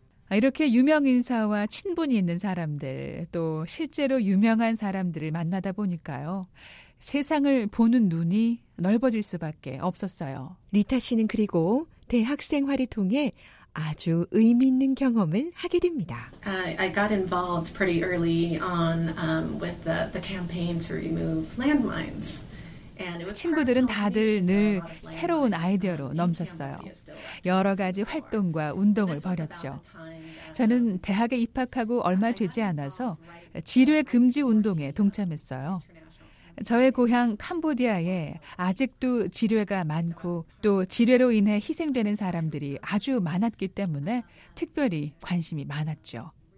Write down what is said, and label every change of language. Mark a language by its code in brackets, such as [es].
[ko] 이렇게 유명 인사와 친분이 있는 사람들, 또 실제로 유명한 사람들을 만나다 보니까요. 세상을 보는 눈이 넓어질 수밖에 없었어요. 리타 씨는 그리고 대학 생활을 통해 아주 의미 있는 경험을 하게 됩니다. [en] I got involved pretty early on with the campaign to remove landmines. [ko] 친구들은 다들 늘 새로운 아이디어로 넘쳤어요. 여러 가지 활동과 운동을 벌였죠. 저는 대학에 입학하고 얼마 되지 않아서 지뢰 금지 운동에 동참했어요. 저의 고향 캄보디아에 아직도 지뢰가 많고 또 지뢰로 인해 희생되는 사람들이 아주 많았기 때문에 특별히 관심이 많았죠.